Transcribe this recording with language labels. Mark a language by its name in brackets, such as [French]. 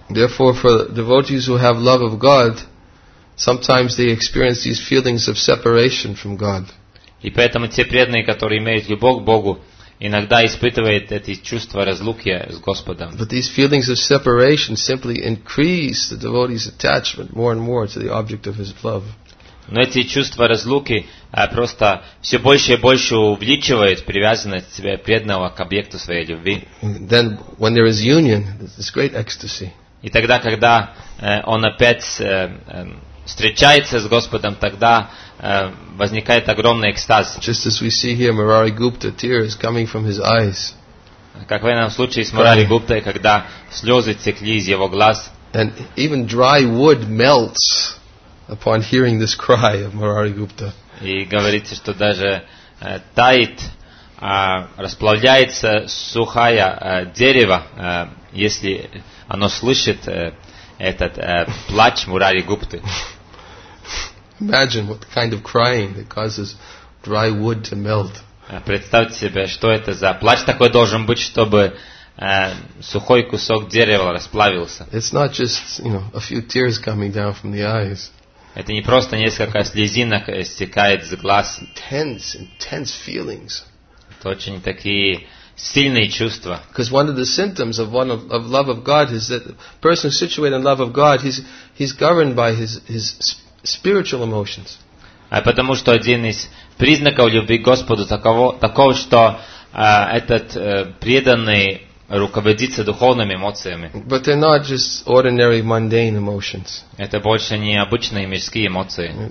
[English] Therefore, for devotees who have love of God, sometimes they experience these feelings of separation from God. [Russian] И поэтому те преданные, которые имеют любовь к Богу, иногда испытывают эти чувства разлуки с Господом. [English] But these feelings of separation simply increase the devotee's attachment more and more to the object of his love. [Russian] Но эти чувства разлуки просто все больше и больше увеличивают привязанность себя преданного к объекту своей любви. [English] Then, when there is union, there's great ecstasy. [Russian] И тогда, когда он опять встречается с Господом, тогда возникает огромный экстаз. [English] Just as we see here, Murari Gupta, tears coming from his eyes. [Russian] Как в этом случае с Мурари Гуптой, когда слезы текли из его глаз. [English] And even dry wood melts. Upon hearing this cry of Murari Gupta. [Russian] И говорится, что даже тает, расплавляется сухое дерево, если оно слышит этот плач Мурари Гупты. [English] Imagine what kind of crying that causes dry wood to melt. [Russian] Представьте себе, что это за плач такой должен быть, чтобы сухой кусок дерева расплавился. [English] It's not just, you know, a few tears coming down from the eyes. [Russian] Это не просто несколько слезинок стекает с глаз. [English] Intense, intense feelings. [Russian] Это очень такие сильные чувства. [English] Because one of the symptoms of one of love of God is that the person situated in love of God, he's governed by his spiritual emotions. [Russian] А потому что один из признаков любви к Господу такого, что этот преданный руководиться духовными эмоциями. [English] But they're not just ordinary, mundane emotions. [Russian] Это больше не обычные мирские эмоции.